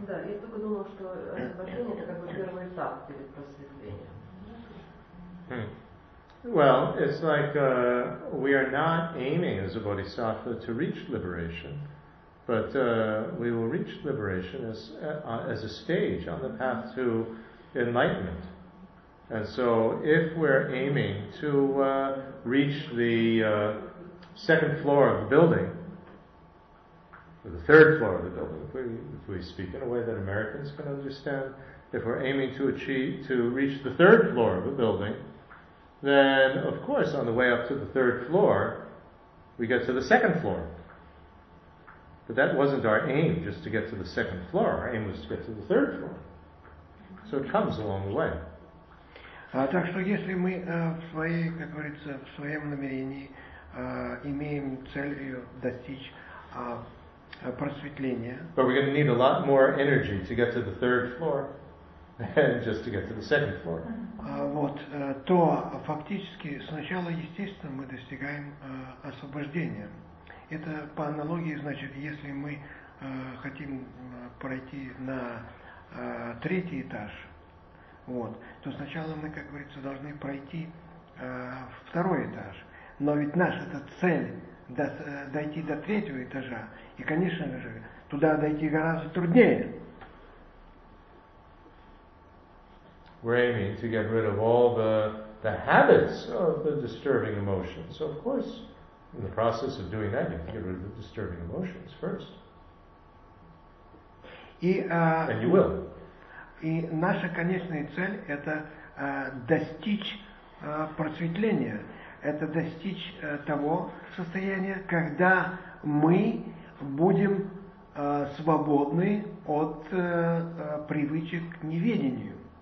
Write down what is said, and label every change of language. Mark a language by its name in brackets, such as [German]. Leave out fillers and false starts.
[Russian] Да, я только думала, что освобождение это как бы первый этап перед просветлением. Hmm. [English] Well, it's like we are not aiming as a bodhisattva to reach liberation, but we will reach liberation as a stage on the path to enlightenment. And so if we're aiming to reach the second floor of the building, or the third floor of the building, if we speak in a way that Americans can understand, if we're aiming to reach the third floor of a building, then of course on the way up to the third floor, we get to the second floor. But that wasn't our aim, just to get to the second floor. Our aim was to get to the third floor. So it comes along the way. [Russian] Так что если мы в своем намерении имеем целью достичь просветления. [English] But we're going to need a lot more energy to get to the third floor than just to get to the second floor. [Russian] То фактически сначала, естественно, мы достигаем освобождения. Это по аналогии, значит, если мы хотим пройти на третий этаж, вот, то сначала мы, как говорится, должны пройти второй этаж. Но ведь наша-то цель дойти до третьего этажа, и, конечно же, туда дойти гораздо труднее. [English] We're aiming to get rid of all the habits of the disturbing emotions. So, of course, in the process of doing that, you have to get rid of the disturbing emotions first. And you will. [Russian] И наша конечная цель – это достичь просветления. Это достичь того состояния, когда мы будем свободны от привычек к неведению.